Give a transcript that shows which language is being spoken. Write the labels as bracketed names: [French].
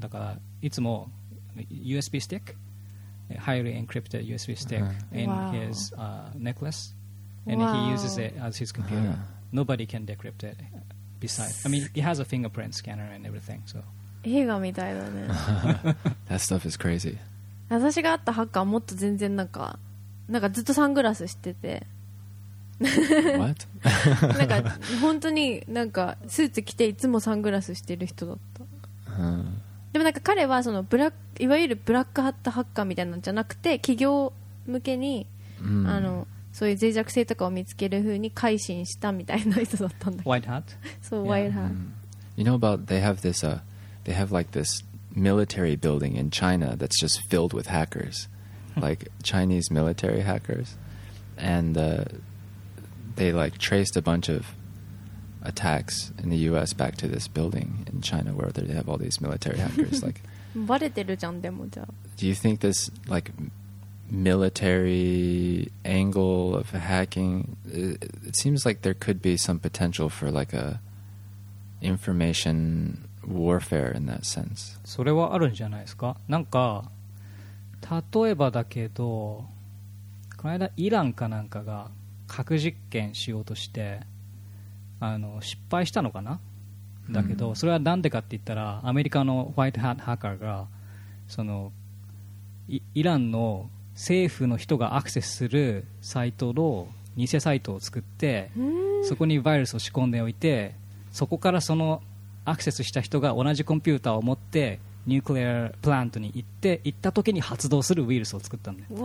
[Japanese] だからいつも [English] USB stick? Highly encrypted USB stick in his necklace, and he uses it as his computer. Nobody can decrypt it. Besides, I mean, he has a fingerprint scanner and everything. So, [Japanese] 映画みたいだね。 [English] That stuff is crazy. [Japanese] 私が会ったハッカーもっと全然なんかずっとサングラスしてて、 [English] What? [Japanese] なんか本当になんかスーツ着ていつもサングラスしてる人だった。でもなんか彼はそのブラックいわゆるブラックハットハッカーみたいなのじゃなくて企業向けに、うん、あのそういう脆弱性とかを見つけるふうに改心したみたいな人だったんだ。 [English] White hat? [Japanese] そう、 [English] yeah. White hat、mm. You know about they have this they have like this military building in China that's just filled with hackers like Chinese military hackers and they like traced a bunch of attacks in the US back to this building in China where they have all these military hackers like [Japanese] バレてるじゃんでもじゃあ。 [English] Do you think this like military angle of hacking? It seems like there could be some potential for like a information warfare in that sense. [Japanese] それはあるんじゃないですか。なんか例えばだけど、この間イランかなんかが核実験しようとして失敗したのかな。だけどそれはなんでかって言ったらアメリカのホワイトハッカーがそのイランの政府の人がアクセスするサイトの偽サイトを作ってそこにウイルスを仕込んでおいてそこからそのアクセスした人が同じコンピューターを持ってニュークリアプラントに行った時に発動するウイルスを作ったんだよ。